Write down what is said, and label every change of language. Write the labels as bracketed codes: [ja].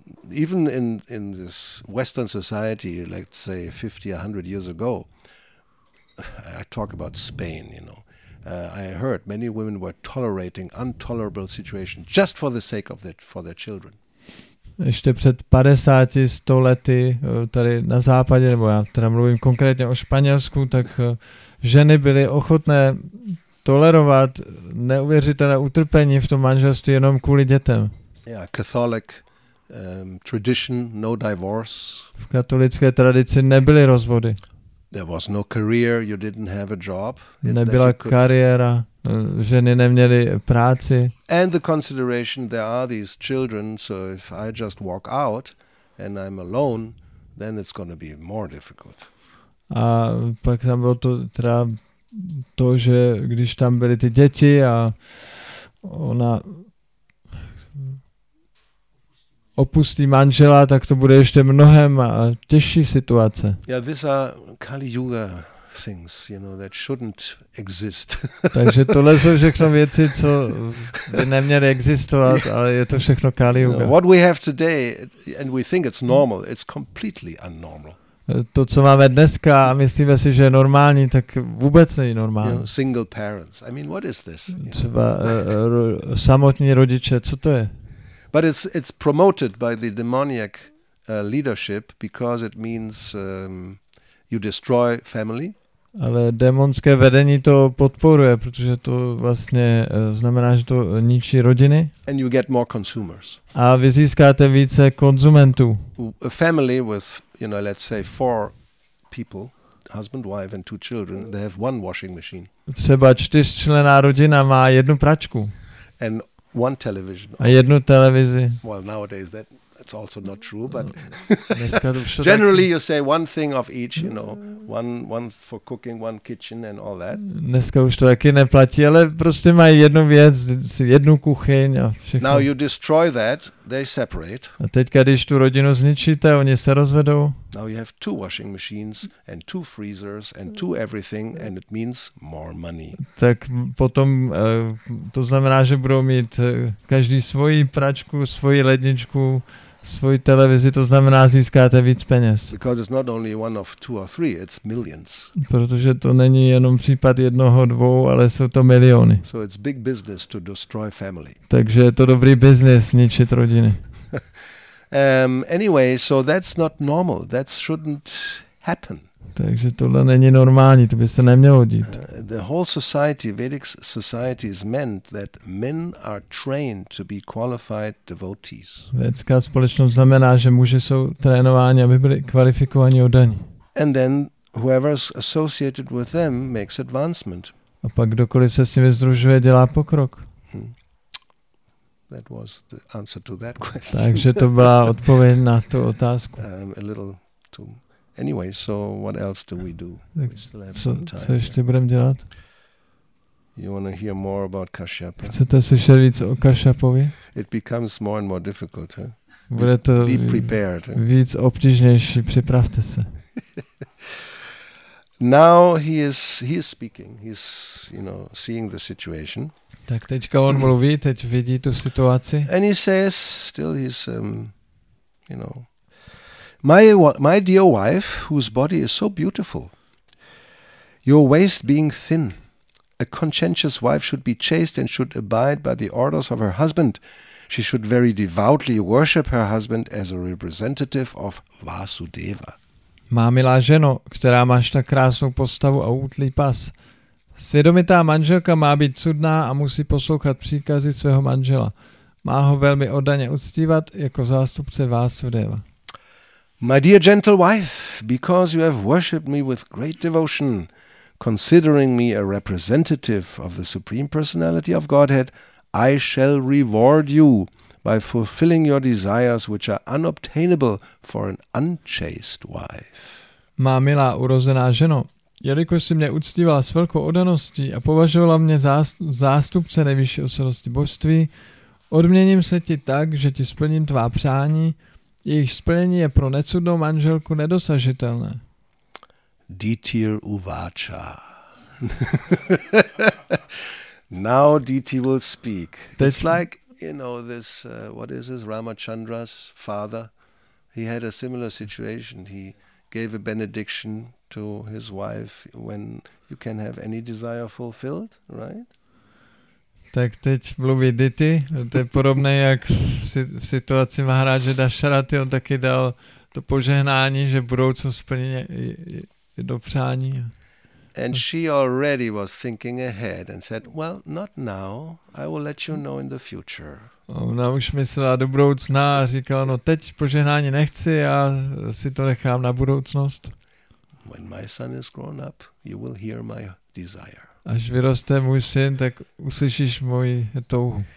[en] Even in this Western society, like say 50, 100 years ago, I talk about Spain, you know. I heard many women were tolerating intolerable situation just for the sake of that, for their children. [cs] Ještě před 50, 100 lety tady na západě, nebo já teda mluvím konkrétně o Španělsku, tak ženy byly ochotné tolerovat neuvěřitelné utrpení v tom manželství jenom kvůli dětem. [en] Yeah, Catholic, tradition, no divorce. [cs] V katolické tradici nebyly rozvody. [en] There was no career, you didn't have a job. [cs] Nebyla kariéra, ženy neměly práci. [en] And the consideration, there are these children, so if I just walk out and I'm alone, then it's going to be more difficult. [cs] A pak tam bylo to teda to, že když tam byly ty děti a ona opustí manžela, tak to bude ještě mnohem těžší situace. [en] Yeah, these are Kali Yuga things, you know, that shouldn't exist. [cs] Takže tohle jsou všechno věci, co by neměly existovat, ale je to všechno Kali Yuga. [en] What we have today, and we think it's normal, it's completely unnormal. [cs] To, co máme dneska a myslíme si, že je normální, tak vůbec není normální. [en] You know, single parents. I mean, what is this? [cs] Třeba samotní rodiče, co to je? [en] But it's promoted by the demoniac leadership because it means you destroy family. [cs] Ale démonské vedení to podporuje, protože to vlastně znamená, že to ničí rodiny. [en] And you get more consumers. [cs] A vy získáte více konzumentů. [en] A family with, you know, let's say four people, husband, wife and two children, they have one washing machine. [cs] Třeba čtyřčlenná rodina má jednu pračku. [en] And one television. [cs] A jednu televizi. [en] Well, nowadays that it's also not true, but generally you say one thing of each, you know, one for cooking, one kitchen and all that. [cs] Dneska už to taky neplatí, ale prostě mají jednu věc, jednu kuchyň a všechno. [en] Now you destroy that, they separate. [cs] A teďka, když tu rodinu zničíte, oni se rozvedou. [en] Now you have two washing machines and two freezers and two everything and it means more money. [cs] Tak potom to znamená, že budou mít každý svoji pračku, svoji ledničku, svoji televizi, to znamená, získáte víc peněz. [en] Because it's not only one of two or three, it's millions. [cs] Protože to není jenom případ jednoho, dvou, ale jsou to miliony. [en] So it's big business to destroy family. [cs] Takže je to dobrý business ničit rodiny. [en] Anyway, so that's not normal. That shouldn't happen. [cs] Takže tohle není normální, to by se nemělo dít. [en] The whole society, Vedic society, is meant that men are trained to be qualified devotees. [cs] Vedická společnost znamená, že muži jsou trénováni, aby byli kvalifikovaní oddaní. [en] And then whoever is associated with them makes advancement. [cs] A pak kdokoliv se s nimi združuje, dělá pokrok. [en] That was the answer to that question. [cs] Takže to byla odpověď na tu otázku. [en] A little too. Anyway, so what else do we do? [cs] Co ještě budeme dělat? [en] You want to hear more about Kashyapa? [cs] Chcete slyšet víc o Kashyapovi? [en] It becomes more and more difficult, huh? [cs] Bude to [en] be prepared. [cs] Víc obtížnější, připravte se. [en] Now he is speaking. He's, you know, seeing the situation. [cs] Tak teďka on mluví, teď vidí tu situaci. [en] And he says, still he's, you know, my dear wife, whose body is so beautiful, your waist being thin, a conscientious wife should be chaste and should abide by the orders of her husband. She should very devoutly worship her husband as a representative of Vasudeva. [cs] Má milá ženo, která máš tak krásnou postavu a útlý pas. Svědomitá manželka má být cudná a musí poslouchat příkazy svého manžela. Má ho velmi oddaně uctívat jako zástupce Vasudeva. [en] My dear gentle wife, because you have worshipped me with great devotion, considering me a representative of the Supreme Personality of Godhead, I shall reward you by fulfilling your desires, which are unobtainable for an unchaste wife. [cs] Má milá urozená ženo, jelikož si mě uctívala s velkou oddaností a považovala mě za zástupce nejvyšší osobnosti božství, odměním se ti tak, že ti splním tvá přání, jejich splnění je pro necudnou manželku nedosažitelné. [sa] Dítir uváča. [en] Now Diti will speak. It's like, you know, this, what is this, Ramachandra's father? He had a similar situation. He gave a benediction to his wife when you can have any desire fulfilled, right? [cs] Tak teď mluví Diti, to je podobné, jak v situaci Maharaje Dasharathy, on taky dal to požehnání, že budoucnost splní do přání. [en] And she already was thinking ahead and said, well, not now, I will let you know in the future. [cs] Ona už myslela do budoucna a říkala, no teď požehnání nechci, já si to nechám na budoucnost. [en] When my son is grown up, you will hear my desire. [cs] Až vyroste můj syn, tak uslyšíš moji touhu.